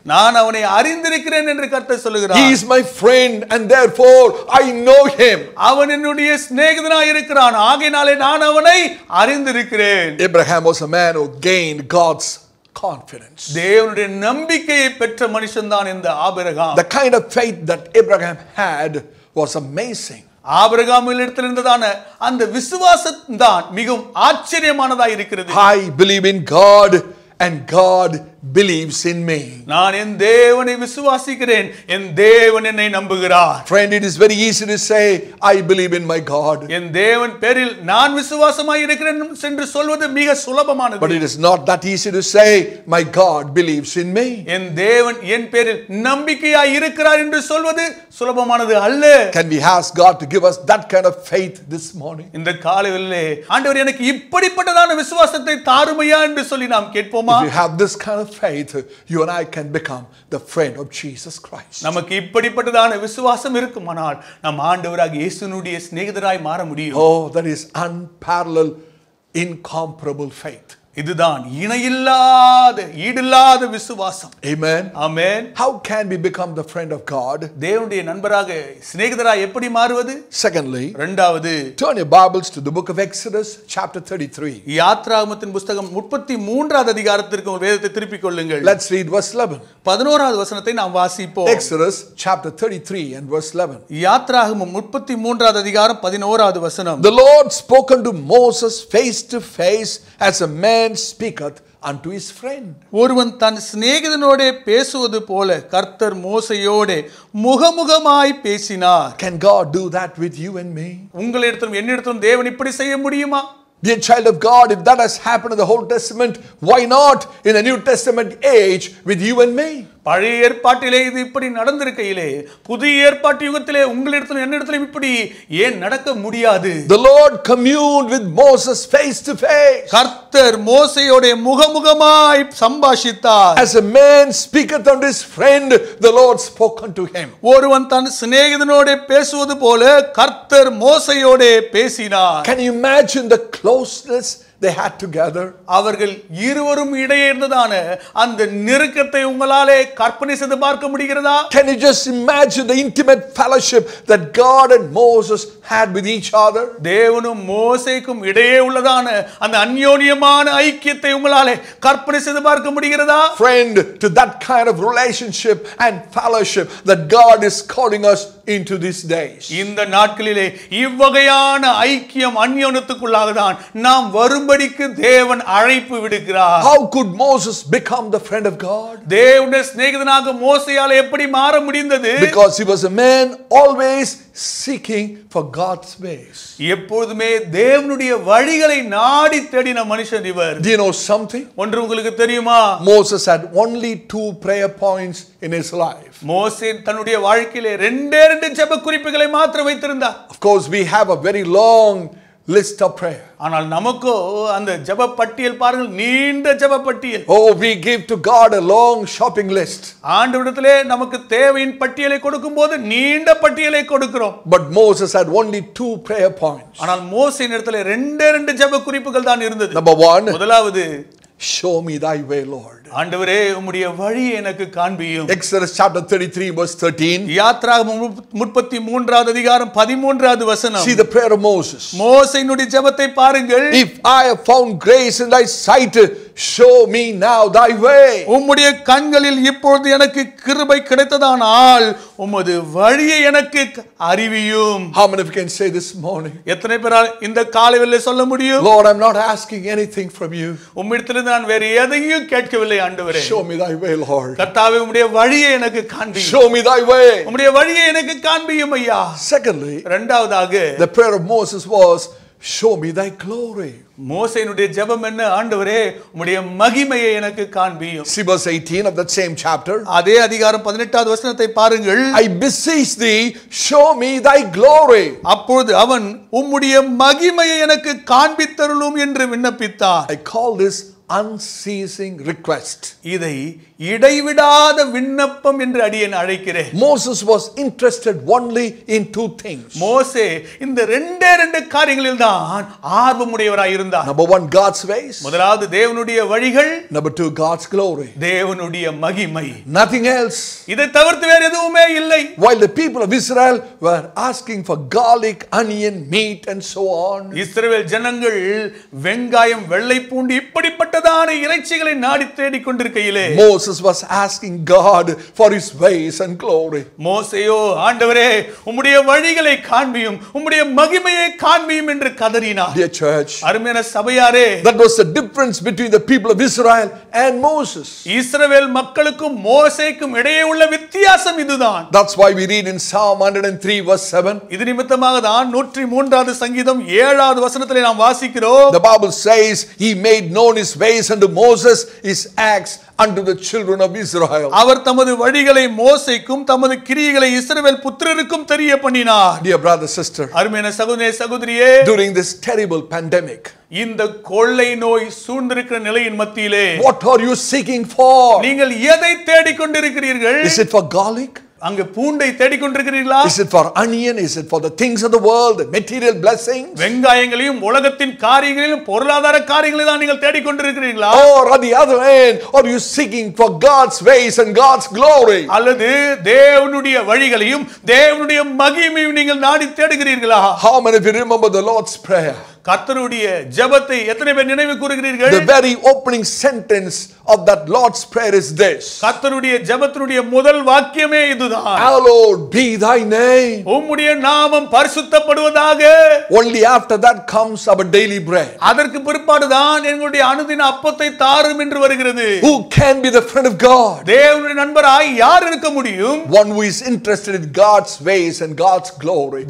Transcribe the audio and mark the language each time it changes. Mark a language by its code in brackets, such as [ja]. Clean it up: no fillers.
[ta] நான் அவனை அறிந்திருக்கிறேன் என்று கர்த்தர் சொல்கிறார். [en] He is my friend and therefore I know him. [ta] அவன் என்னுடைய சிநேகிதனாய் இருக்கிறான் ஆகையினாலே நான் அவனை அறிந்திருக்கிறேன். [en] Abraham was a man who gained God's confidence. [ta] தேவனுடைய நம்பிக்கையை பெற்ற மனுஷன் தான் இந்த Abraham. [en] The kind of faith that Abraham had was amazing. [ta] அந்த விசுவாசம் தான் மிகவும் ஆச்சரியமானதாய் இருக்கிறது. [en] I believe in God and God believes in me. [ta] நான் என் தேவனை விசுவாசிக்கிறேன், என் தேவன் என்னை நம்புகிறார். [en] Friend, it is very easy to say I believe in my God. [ta] என் தேவன் பேரில் நான் விசுவாசமாய் இருக்கிறேன் என்று சொல்வது மிக சுலபமானது. [en] But it is not that easy to say my God believes in me. [ta] என் தேவன் என் பேரில் நம்பிக்கையாய் இருக்கிறார் என்று சொல்வது சுலபமானது அல்ல. [en] Can we ask God to give us that kind of faith this morning? [ta] இந்த காலையிலே ஆண்டவர் எனக்கு இப்படிப்பட்டதான விசுவாசத்தை தாருமையா என்று சொல்லி நாம் கேட்போமா? [en] If you have this kind of faith, you and I can become the friend of Jesus Christ. [ta] நமக்கு இப்படிப்பட்டதான விசுவாசம் இருக்குமானால் நம் ஆண்டவராகிய இயேசுனுடைய சிநேகிதராய் மாற முடியும். [en] Oh, that is unparalleled, incomparable faith. [ta] இதுதான் இணையில்லாத ஈடில்லாத விசுவாசம். [en] Amen. [ta] Amen. [en] How can we become the friend of God? [ta] தேவனுடைய நண்பராக சிநேகிதராய் எப்படி மாறுவது? [en] Secondly, [ta] இரண்டாவது, [en] turn your Bibles to the book of Exodus chapter 33. [ta] யாத்ராகமத்தின் புத்தகம் 33வது அதிகாரத்திற்கு வேதத்தை திருப்பிக் கொள்ளுங்கள். [en] Let's read verse 11. [ta] 11வது வசனத்தை நாம் வாசிப்போம். [en] Exodus chapter 33 and verse 11. [ta] யாத்ராகமம் 33வது அதிகாரம் 11வது வசனம். [en] The Lord spoke unto Moses face to face as a man and speaketh unto his friend. [ta] ஒருவன் தன் சிநேகிதனோட பேசுவது போல கர்த்தர் மோசேயோட முகமுகமாய் பேசினார். [en] Can God do that with you and me? [ta] உங்களிடத்தும் என்னிடத்தும் தேவன் இப்படி செய்ய முடியுமா? [en] Dear child of God, if that has happened in the Old Testament, why not in the New Testament age with you and me? [ta] பழைய ஏற்பாட்டிலே இது இப்படி நடந்திருக்கையிலே புதிய ஏற்பாட்டு யுகத்திலே உங்களிடத்திலும் என்னிடத்திலும் இப்படி ஏன் நடக்க முடியாது? [en] The Lord communed with Moses face to face. [ta] கர்த்தர் மோசேயோட முகமுகமாய் சம்பாஷித்தார். [en] As a man speaketh unto his friend, the Lord spoke unto him. [ta] ஒருவன் தன் சிநேகிதனோட பேசுவது போல கர்த்தர் மோசேயோட பேசினார். [en] Can you imagine the closeness they had together? [ta] அவர்கள் இருவரும் இடையே இருந்ததான அந்த நெருக்கத்தை உங்களாலே கற்பனை செய்து பார்க்க முடிகிறதா? [en] Can you just imagine the intimate fellowship that God and Moses had with each other? [ta] தேவனும் மோசேக்கும் இடையே உள்ளதான அந்த அன்யோன்யமான ஐக்கியத்தை உங்களாலே கற்பனை செய்து பார்க்க முடிகிறதா? [en] Friend, to that kind of relationship and fellowship that God is calling us into these days. [ta] இந்த நாட்களிலே இவ்வகையான ஐக்கியம் அன்யோன்யத்துக்குள்ளாக தான் நாம் வரும்படிக்கு தேவன் அழைப்பு விடுகிறார். [en] How could Moses become the friend of God? [ta] தேவனுடைய சிநேகிதனாக மோசேயால எப்படி மாற முடிந்தது? [en] Because he was a man always seeking for God's ways. [ta] எப்பொழுதுமே தேவனுடைய வழிகளை நாடி தேடின மனுஷன் இவர். [en] Do you know something? [ta] ஒன்று உங்களுக்கு தெரியுமா? [en] Moses had only two prayer points in his life. [ta] மோசே தன்னுடைய வாழ்க்கையிலே ரெண்டே ரெண்டு ஜெப குறிப்புகளை மட்டும் வைத்திருந்தார். [en] Of course we have a very long list of prayer. [ta] ஆனால் நமக்கு அந்த ஜெபப்பட்டியல் பாருங்கள், நீண்ட ஜெபப்பட்டியல். [en] Oh, we give to God a long shopping list. [ta] ஆண்டவரிடத்திலே நமக்கு தேவையின் பட்டியலை கொடுக்கும்போது நீண்ட பட்டியலை கொடுக்கிறோம். [en] But Moses had only two prayer points. [ta] ஆனால் மோசேயின் இடத்திலே ரெண்டே ரெண்டு ஜெப குறிப்புகள் தான் இருந்தது. [en] Number 1. [ta] முதலாவது, [en] Show me thy way, Lord. [ta] ஆண்டவரே உம்முடைய வழியை எனக்கு காண்பியும். [en] Exodus chapter 33 verse 13. [ta] யாத்ராகம 33வது அதிகாரம் 13வது வசனம். [en] See the prayer of Moses. [ta] மோசேயினுடைய ஜெபத்தை பாருங்கள். [en] If I have found grace in thy sight, show me now thy way. [ta] உம்முடைய கண்களில் இப்பொழுது எனக்கு கிருபை கிடைத்ததானால் உம்முடைய வழியை எனக்கு அறிவியும். [en] How many of you can say this morning? [ta] எத்தனை பேரால் இந்த காலையில சொல்ல முடியும்? [en] Lord, I'm not asking anything from you. [ta] உம்மிடத்திலிருந்து நான் வேறு எதையும் கேட்க ஆண்டவரே. [en] Show me thy way, Lord. [ta] கர்த்தாவே உம்முடைய வழியை எனக்கு காண்பியும். [en] Show me thy way. [ta] உம்முடைய வழியை எனக்கு காண்பியும் ஐயா. [en] Secondly, [ta] இரண்டாவதாக, [en] the prayer of Moses was, show me thy glory. [ta] மோசேயினுடைய ஜெபம் என்ன? ஆண்டவரே உம்முடைய மகிமையை எனக்கு காண்பியும். [en] Exodus 18 of that same chapter. [ta] அதே அதிகாரம் 18வது வசனத்தை பாருங்கள். [en] I beseech thee, show me thy glory. [ta] அப்பொழுது அவன் உம்முடைய மகிமையை எனக்கு காண்பித்தருளும் என்று விண்ணப்பித்தான். [en] I call this unceasing request. [ta] இதை இடைவிடாத விண்ணப்பம் என்று அடியேன் அழைக்கிறேன். [en] Moses was interested only in two things. [ta] மோசே இந்த ரெண்டே ரெண்டு காரியங்களில் தான் ஆர்வமுடையவராய் இருந்தார். [en] Number 1, God's ways. [ta] முதலாவது தேவனுடைய வழிகள். [en] Number 2, God's glory. [ta] தேவனுடைய மகிமை. [en] Nothing else. [ta] இதை தவிர்த்து வேறு எதுவுமே இல்லை. [en] While the people of Israel were asking for garlic, onion, meat and so on. [ta] இஸ்ரவேல் ஜனங்கள் வெங்காயம், வெள்ளை பூண்டு இப்படிப்பட்டதான இறைச்சிகளை நாடி தேடி கொண்டிருக்கையிலே [en] Moses was asking God for his ways and glory. [ta] மோசேயோ ஆண்டவரே உம்முடைய வழிகளை காண்பியும் உம்முடைய மகிமையை காண்பியும் என்று கதறினார். [en] Dear church, [ta] அருமையான சபையாரே, [en] that was the difference between the people of Israel and Moses. [ta] இஸ்ரவேல் மக்களுக்கும் மோசேக்கும் இடையே உள்ள வித்தியாசம் இதுதான். [en] That's why we read in Psalm 103 verse 7. [ta] இது நிமித்தமாக தான் 103வது சங்கீதம் 7வது வசனத்திலே நாம் வாசிக்கிறோம். [en] The Bible says he made known his ways unto Moses, his acts unto the children of Israel. [ta] அவர் தமது வழிகளை மோசேக்கும் தமது கிரியைகளை இஸ்ரவேல் புத்திரருக்கும் தெரியப்பண்ணினார். [en] Dear brother sister, [ta] அருமையான சகோதரே சகோதரியே, [en] during this terrible pandemic, [ta] இந்த கொள்ளை நோய் சூழ்ந்திருக்கிற நிலையின் மத்தியிலே, [en] what are you seeking for? [ta] நீங்கள் எதை தேடிக் கொண்டிருக்கிறீர்கள்? [en] Is it for garlic? [ta] அங்கு பூண்டை தேடிக் கொண்டிருக்கிறீர்களா? [en] Is it for onion? Is it for the things of the world, the material blessings? [ta] வெங்காயங்களையும் உலகத்தின் காரியங்களையும் பொருளாதார காரியங்களை தான் நீங்கள் தேடிக் கொண்டிருக்கிறீர்களா? [en] Or on the other hand, are you seeking for God's ways and God's glory? [ta] அல்லது தேவனுடைய வழிகளையும் தேவனுடைய மகிமையையும் நீங்கள் நாடி தேடுகிறீர்களா? [en] How many of you remember the Lord's prayer? [ta] கர்த்தருடைய ஜெபத்தை எத்தனை பேர் நினைவு கூறுகிறீர்கள்? [en] The very opening sentence of that Lord's prayer is this. [ta] கர்த்தருடைய ஜெபத்தினுடைய முதல் வாக்கியமே இதுதான். [en] Hallowed be thy name. [ta] உம்முடைய நாமம் பரிசுத்தப்படுவதாக. [en] Only after that comes our daily bread. [ta] அதற்கு பிற்பாடுதான் எங்களுடைய அனுதின அப்பத்தை தாரும் என்று வருகிறது. [en] Who can be the friend of God? [ta] தேவனுடைய நண்பராய் யார் இருக்க முடியும்? [en] One who is interested in God's ways and God's glory.